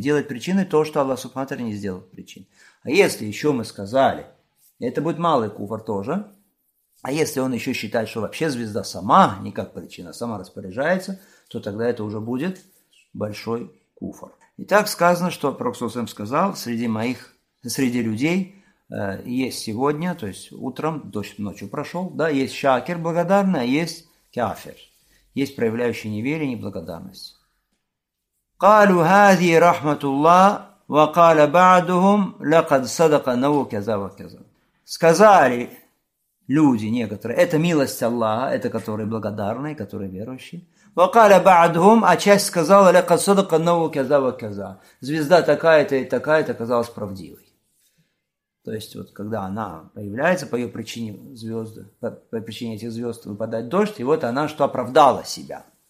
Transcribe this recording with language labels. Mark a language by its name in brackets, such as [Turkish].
[Russian] Делает причиной то, что Аллах Субхану ва Тааля не сделал причиной. А если еще мы сказали, это будет малый куфр тоже, а если он еще считает, что вообще звезда сама, не как причина, сама распоряжается, то тогда это уже будет большой куфр. Итак, сказано, что пророк Сусам сказал, среди людей есть сегодня, то есть утром, дождь ночью прошел, да, есть шакир благодарный, а есть кафир, есть проявляющий неверие, неблагодарность. [Arabic] قالوا هذه رحمة الله وقال بعضهم لقد صدق نو كذا وكذا. [Russian] Сказали люди некоторые. Это милость Аллаха, это которые благодарные, которые верующие. [Arabic] Вакаля баадхум, [Russian] а часть сказала, [Arabic] ля касадака нову каза ва каза. [Russian] Звезда такая-то и такая-то казалась правдивой. То есть, вот когда она появляется, по ее причине звезды, по причине этих звезд выпадает дождь, и вот она что оправдала себя.